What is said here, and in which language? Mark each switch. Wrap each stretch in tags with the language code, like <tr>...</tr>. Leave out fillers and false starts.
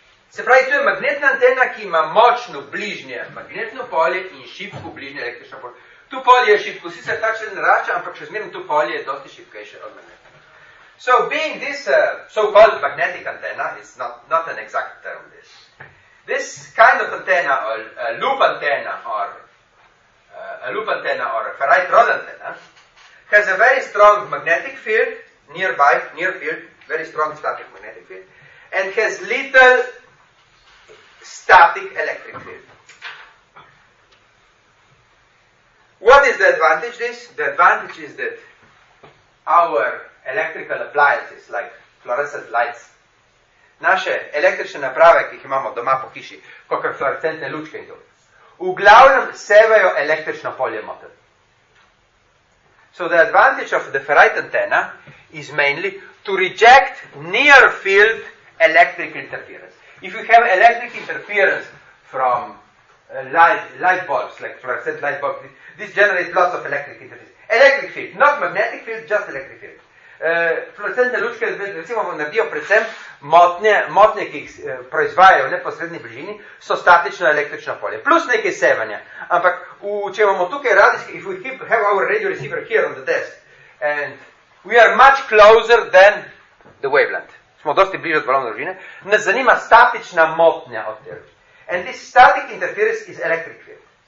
<sl>Se pravi, to je magnetna antena, ki ima močno bližnje magnetno polje in šibko bližnje električno polje. Tu polje je šibko, sicer tak še ne rača, ampak še zmerno tu polje je dosti šibkejše od magneta.</sl> <en>So, being this so-called magnetic antenna, it's not an exact term this. this kind of antenna, or a loop antenna, or a loop antenna, or a ferrite rod antenna, has a very strong magnetic field nearby, near field, very strong static magnetic field, and has little static electric field. What is the advantage this? The advantage is that our electrical appliances, like fluorescent lights,</en> <sl>naše električne naprave, ki jih imamo doma po hiši, kakor fluorescentne lučke in to, v glavnem sevajo električno polje motor.</sl> <en>So the advantage of the ferrite antenna is mainly to reject near field electric interference. If you have electric interference from light bulbs, like fluorescent light bulbs, this generates lots of electric interference. Electric field, not magnetic field, just electric field.</en> <sl>Fluorescentne lučke, recimo, naredijo predvsem motnje, ki jih proizvajajo v neposredni bližini, so statično električno polje, plus nekaj sevanja. Ampak, če imamo tukaj radijski,</sl> <en>if we keep, have our radio receiver here on the desk, and we are much closer than the wavelength.</en> <sl>Smo dosti bliže od valovne dolžine. Nas zanima statična motnja od tega.</sl> <en>And this static interference is electric field.</en>